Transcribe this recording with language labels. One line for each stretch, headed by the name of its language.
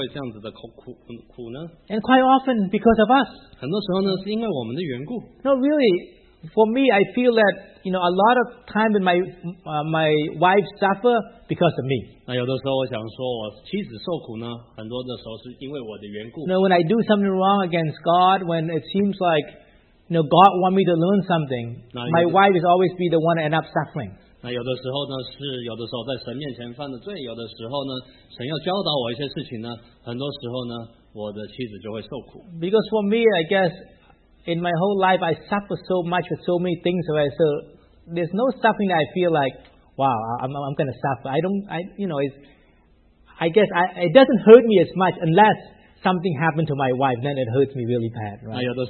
Chinese: 有时候我们看到的儿女，为什么他们有的时候会这样子的苦呢？
English: And quite often because of us.
Chinese: 很多时候呢，是因为我们的缘故。
English: No, really, for me, I feel that, you know, a lot of time in my wife suffer because of me.
Chinese: 那有的时候我想说，我妻子受苦呢，很多的时候是因为我的缘故。
English: No, when I do something wrong against God, when it seems like, you know, God want me to learn something, my wife is always be the one to end up suffering.
Chinese: 那有的时候呢，是有的时候在神面前犯的罪，有的时候呢，神要教导我一些事情呢，很多时候呢，我的妻子就会受苦。
English: Because for me, I guess, in my whole life, I suffer so much with so many things, right? So there's no suffering that I feel like, wow, I'm going to suffer. It doesn't hurt me as much unless something happened to my wife, then it hurts me really bad, right?